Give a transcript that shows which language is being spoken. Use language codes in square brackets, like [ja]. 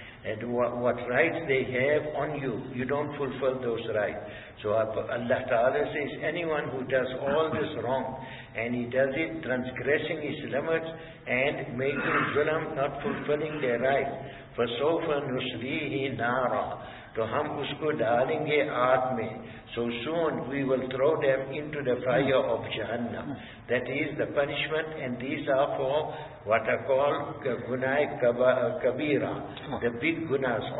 [en] And what rights they have on you, you don't fulfill those rights. So Allah Ta'ala says, anyone who does all this wrong, and he does it transgressing his limits, and making zulam, not fulfilling their rights, [ar] فَسَوْفَ نُسْلِيهِ نَارًا. [ur] تو ہم اس کو ڈالیں گے آگ میں. [en] So soon we will throw them into the fire of Jahannam. That is the punishment, and these are for what are called gunai kabira, the big gunas.